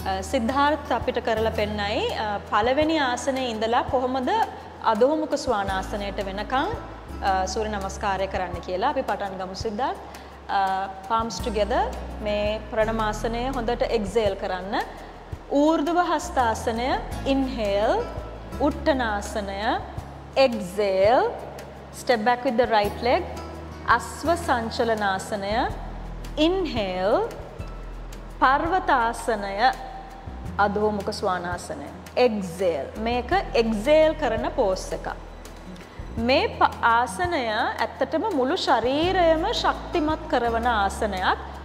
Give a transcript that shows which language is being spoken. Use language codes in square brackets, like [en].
[si] සිද්ධාර්ථ අපිට කරලා පෙන්නයි පළවෙනි ආසනයේ ඉඳලා කොහොමද අධෝමුඛ ස්වානාසනයට වෙනකන් සූර්ය නමස්කාරය කරන්න කියලා. අපි පටන් ගමු සිද්ධාර්ථ. [en] Palms together, [si] මේ ප්‍රණමාසනය හොඳට එක්සෙල් කරන්න. ඌර්ධව හස්තාසනය ඉන්හේල්, උට්ටනාසනය Excel, [en] step back with the right leg. [si] අස්ව සංචලනාසනය ඉන්හේල්, පර්වතාසනය අධෝමුඛ ස්වානාසනය Excel. මේක එක්සෙල් කරන පෝස් එක. මේ ආසනය ඇත්තටම මුළු ශරීරයම ශක්තිමත් කරවන ආසනයක්.